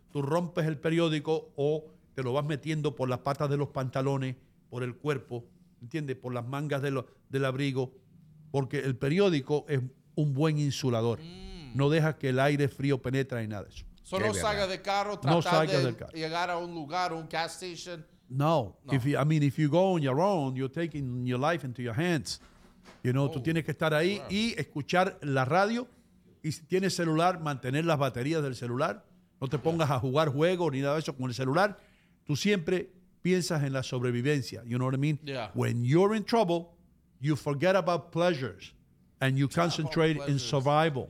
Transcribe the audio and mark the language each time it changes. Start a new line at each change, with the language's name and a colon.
Spanish: Tú rompes el periódico o te lo vas metiendo por las patas de los pantalones, por el cuerpo, ¿entiendes? Por las mangas de lo, del abrigo, porque el periódico es un buen insulador. No deja que el aire frío penetre y nada de eso. Solo salga de carro, tratar de llegar a un lugar, un gas station. No.
English: If you go on your own, you're taking your life into your hands. You know,
Spanish: tú tienes que estar ahí y escuchar la radio y si tienes celular, mantener las baterías del celular. No te pongas a jugar juegos ni nada de eso con el celular. Tú siempre piensas en la sobrevivencia.
English: You know what I mean? Yeah. When you're in trouble, you forget about pleasures and you concentrate in survival.